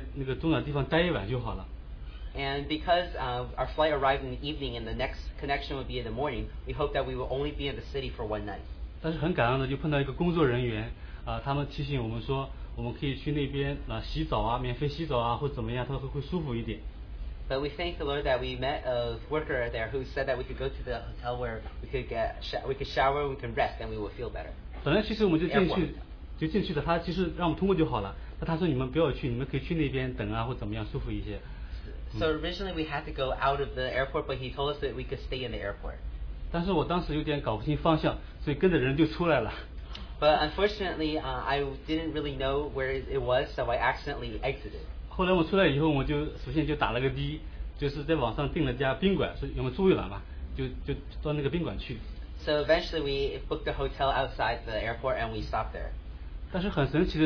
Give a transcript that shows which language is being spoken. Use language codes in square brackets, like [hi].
[zh] 但是我们到达的时候是晚上嘛，飞机是第二天，我们就想要么在那个中转地方待一晚就好了。 [en] And because our flight arrived in the evening, and the next connection would be in the morning, we hope that we will only be in the city for one night. [zh] 但是很感恩的就碰到一个工作人员，他们提醒我们说。我们可以去那边洗澡啊，免费洗澡啊，或者怎么样，他会舒服一点。 [en] But we thank the Lord that we met a worker there who said that we could go to the hotel where we could shower, we can rest, and we will feel better. [zh] 本来其实我们就进去的，他其实让我们通过就好了。那他说你们不要去，你们可以去那边等啊，或怎么样，舒服一些。 [en] So originally we had to go out of the airport, but he told us that we could stay in the airport. [zh] 但是我当时有点搞不清方向，所以跟着人就出来了。 [en] But unfortunately, I didn't really know where it was, so I accidentally exited. [zh] 后来我出来以后，我就首先就打了个的，就是在网上订了家宾馆，说有没有住一晚嘛，就到那个宾馆去。 [en] So eventually, we booked a hotel outside the airport and we stopped there.